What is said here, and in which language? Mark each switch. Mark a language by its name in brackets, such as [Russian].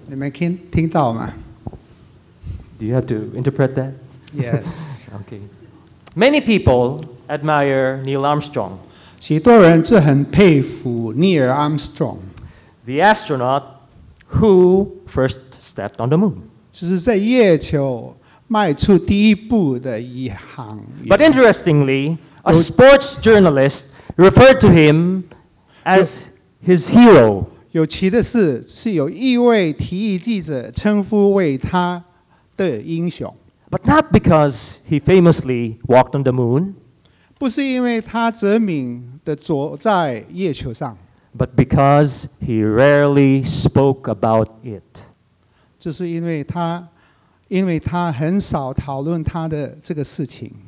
[Chinese] 你们听到吗? [English] Do you have to interpret that? Yes. Okay. Many people admire Neil Armstrong. [Chinese] 许多人就很佩服 Neil Armstrong. [English] The astronaut who first stepped on the moon. [Chinese] 就是在月球迈出第一步的一行员。 [English] But interestingly, a sports journalist referred to him as his hero. [Chinese] 有其的是，是有一位体育记者称呼为他的英雄。 [English] But not because he famously walked on the moon. [Chinese] 不是因为他知名的走在月球上。 [English] But because he rarely spoke about it. [Chinese] 就是因为他很少讨论他的这个事情。